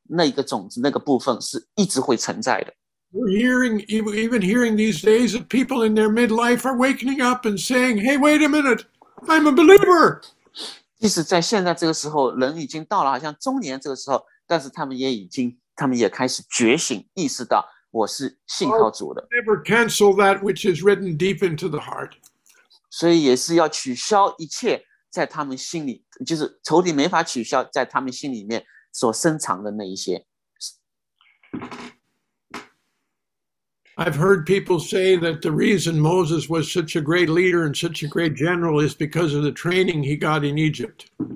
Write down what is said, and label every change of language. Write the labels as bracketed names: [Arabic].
[Chinese] 但是你在他们身份中所放下的那个种子那个部分是一直会存在的。 [English] We're hearing, even hearing these days of people in their midlife are waking up and saying, hey, wait a minute, I'm a believer. [Chinese] 即使在现在这个时候，人已经到了好像中年这个时候，但是他们也开始觉醒，意识到。我是信靠主的。 [English] Never cancel that which is written deep into the heart. [Chinese] 所以也是要取消一切，在他们心里，就是仇敌没法取消，在他们心里面所深藏的那一些。 [English] I've heard people say that the reason Moses was such a great leader and such a great general is because of the training he got in Egypt.